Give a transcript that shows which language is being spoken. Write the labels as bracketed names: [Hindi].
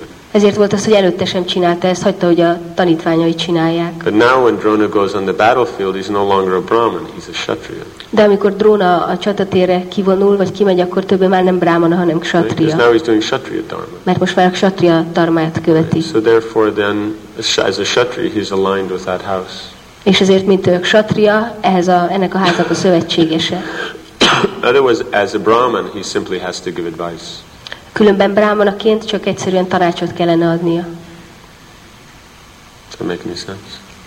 [Hungarian] Ezért volt az, hogy előtte sem csinálta ezt, hagyta, hogy a tanítványai csinálják. [English] But now when Drona goes on the battlefield, he's no longer a Brahman, he's a Kshatriya. [Hungarian] De amikor Drona a csatatérre kivonul, vagy kimegy, akkor többé már nem Brahmana, hanem Kshatriya. [English] Because now he's doing Kshatriya dharma. [Hungarian] Mert most már a Kshatriya dharmáját követi. [English] So therefore then, as a Kshatriya, he's aligned with that house. [Hungarian] És ezért, mint ő a Kshatriya, ennek a háznak a szövetségese. [English] Otherwise, as a Brahman, he simply has to give advice. [Hungarian] Különben brámanaként csak egyszerűen tanácsot kellene adnia. [English] Does that make any sense?